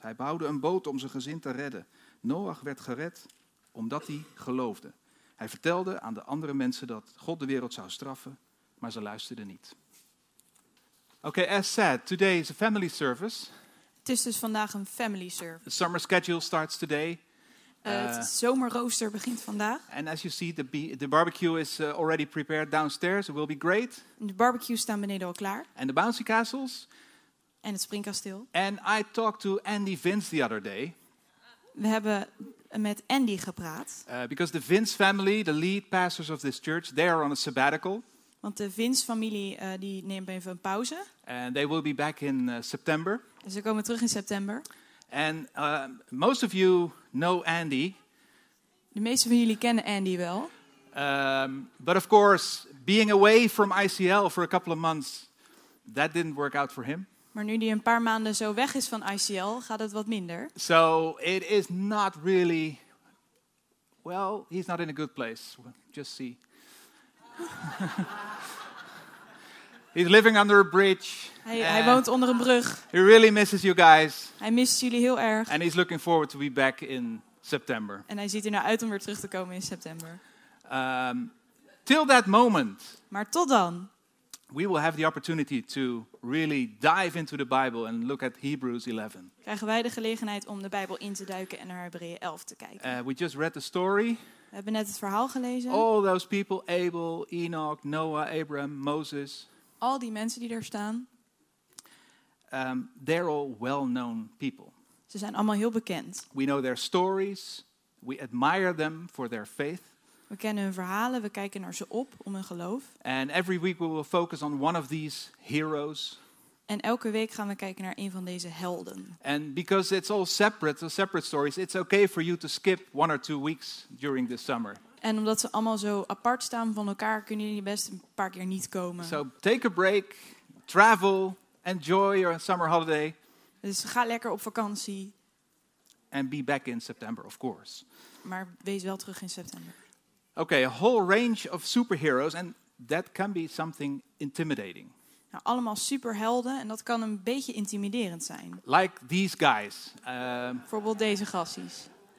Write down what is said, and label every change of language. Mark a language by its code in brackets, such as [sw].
[nl] Hij bouwde een boot om zijn gezin te redden. Noach werd gered omdat hij geloofde. Hij vertelde aan de andere mensen dat God de wereld zou straffen, maar ze luisterden niet. [en] Okay, as said, today is a family service. [nl] Het is dus vandaag een family service. [en] The summer schedule starts today. [nl] Het zomerrooster begint vandaag. [en] And as you see, the barbecue is already prepared downstairs. It will be great. [nl] En de barbecue staan beneden al klaar. [en] And the bouncy castles. [nl] En het springkasteel. [en] And I talked to Andy Vince the other day. [nl] We hebben met Andy gepraat. [en] Because the Vince family, the lead pastors of this church, they are on a sabbatical. [nl] Want de Vince-familie die neemt even een pauze. [en] And they will be back in September. [nl] Ze komen terug in september. [en] And most of you know Andy. [nl] De meeste van jullie kennen Andy wel. [en] But of course, being away from ICL for a couple of months, that didn't work out for him. [nl] Maar nu die een paar maanden zo weg is van ICL, gaat het wat minder. [en] So it is not really. Well, he's not in a good place. Just see. He's living under a bridge. [nl] Hij woont onder een brug. [en] He really misses you guys. [nl] Hij mist jullie heel erg. [en] And he's looking forward to be back in September. [nl] En hij ziet er naar uit om weer terug te komen in september. [en] Till that moment. [nl] Maar tot dan. [en] we will have the opportunity to really dive into the Bible and look at Hebrews 11. [nl] Krijgen wij de gelegenheid om de Bijbel in te duiken en naar Hebreeën 11 te kijken. [en] We just read the story. [nl] We hebben net het verhaal gelezen. [en] All those people, Abel, Enoch, Noah, Abraham, Moses. [nl] Al die mensen die daar staan. [en] They're all well-known people. [nl] Ze zijn allemaal heel bekend. [en] We know their stories. We admire them for their faith. [nl] We kennen hun verhalen, we kijken naar ze op om hun geloof. [en] And every week we will focus on one of these heroes. [nl] En elke week gaan we kijken naar een van deze helden. [en] And because it's all separate stories, it's okay for you to skip one or two weeks during the summer. [nl] En omdat ze allemaal zo apart staan van elkaar, kunnen jullie best een paar keer niet komen. [en] So take a break, travel, enjoy your summer holiday. [nl] Dus ga lekker op vakantie. [en] And be back in September, of course. [nl] Maar wees wel terug in september. [en] Okay, a whole range of superheroes, and that can be something intimidating. [nl] Nou, allemaal superhelden, en dat kan een beetje intimiderend zijn. [en] Like these guys. [nl] Bijvoorbeeld deze gasties.